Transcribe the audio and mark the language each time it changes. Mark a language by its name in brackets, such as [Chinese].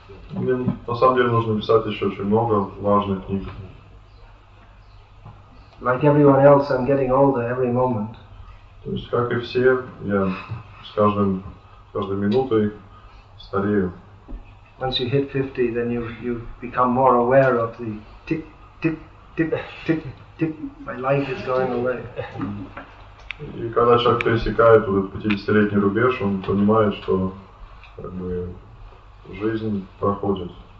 [Russian] Мне на самом деле нужно писать еще очень много важных книг. [English] Like everyone else, I'm getting older every moment. [Russian] То есть, как и все, я с каждой минутой старею. [English] Once you hit 50, then you become more aware of the tick, tick, tick, tick, tick. My life is going away. [Russian] И когда человек пересекает этот 50-летний рубеж, он понимает, что как бы жизнь проходит.